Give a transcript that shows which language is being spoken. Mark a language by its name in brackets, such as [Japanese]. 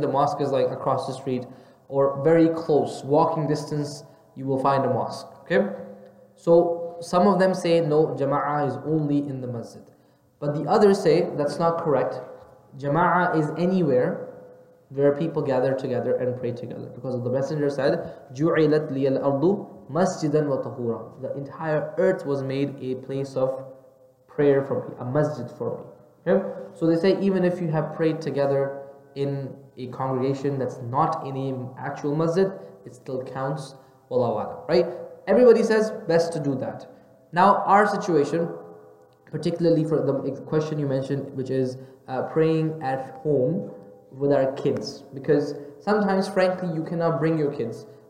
[English] The mosque is like across the street. Or very close, walking distance, you will find a mosque. Okay, so some of them say no, Jama'ah is only in the masjid. But the others say that's not correct. Jama'ah is anywhere where people gather together and pray together. Because the Messenger said, [Arabic] جُعِلَتْ لِيَ الْأَرْضُ مَسْجِدًا وَطَهُورًا. [English] The entire earth was made a place of prayer for me, a masjid for me. Okay, so they say even if you have prayed together in a congregation that's not in an actual masjid, it still counts, wallahu a'lam, right? Everybody says best to do that. Now, our situation, particularly for the question you mentioned, which is praying at home with our kids, because sometimes, frankly, you cannot bring your kids.